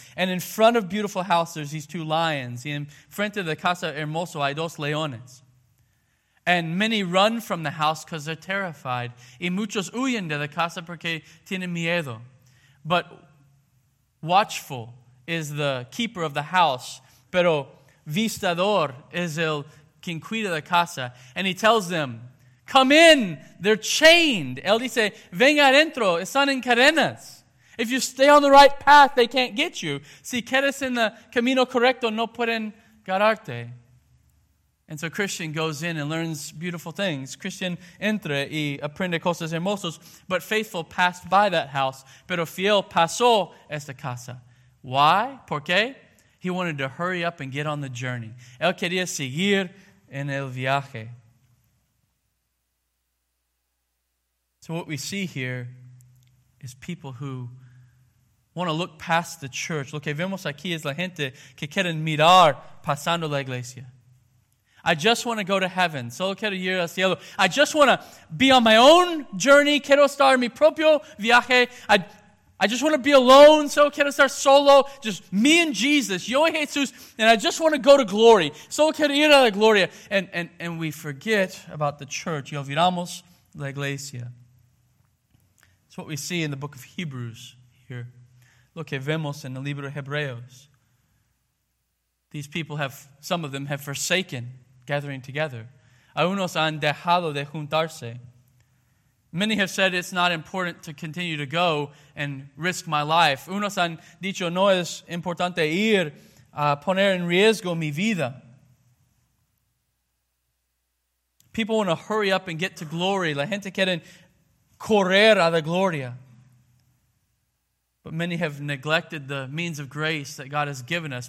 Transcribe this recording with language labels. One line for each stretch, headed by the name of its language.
English: And in front of beautiful house, there's these two lions.
Spanish: Y en frente de la casa hermoso hay dos leones.
English: And many run from the house because they're terrified.
Spanish: Y muchos huyen de la casa porque tienen miedo.
English: But watchful is the keeper of the house.
Spanish: Pero vistador es el quien cuida la casa.
English: And he tells them, come in, they're chained.
Spanish: Él dice, venga adentro, están en cadenas.
English: If you stay on the right path, they can't get you.
Spanish: Si quedas en el camino correcto, no pueden agarrarte.
English: And so Christian goes in and learns beautiful things.
Spanish: Christian entra y aprende cosas hermosas.
English: But faithful passed by that house.
Spanish: Pero fiel pasó esta casa.
English: Why?
Spanish: ¿Por qué?
English: He wanted to hurry up and get on the journey.
Spanish: Él quería seguir en el viaje.
English: So what we see here is people who want to look past the church.
Spanish: Lo que vemos aquí es la gente que quieren mirar pasando la iglesia.
English: I just want to go to heaven.
Spanish: Solo quiero ir al cielo.
English: I just want to be on my own journey.
Spanish: Quiero estar en mi propio viaje.
English: I just want to be alone.
Spanish: So quiero estar solo.
English: Just me and Jesus.
Spanish: Yo y Jesus.
English: And I just want to go to glory.
Spanish: So quiero ir a la gloria.
English: And we forget about the church.
Spanish: Y olvidamos la iglesia.
English: That's what we see in the book of Hebrews here.
Spanish: Lo que vemos en el libro de Hebreos.
English: These people have, some of them have forsaken gathering together.
Spanish: Algunos han dejado de juntarse.
English: Many have said it's not important to continue to go and risk my life.
Spanish: Unos han dicho no es importante ir a poner en riesgo mi vida.
English: People want to hurry up and get to glory.
Spanish: La gente quiere correr a la gloria.
English: But many have neglected the means of grace that God has given us.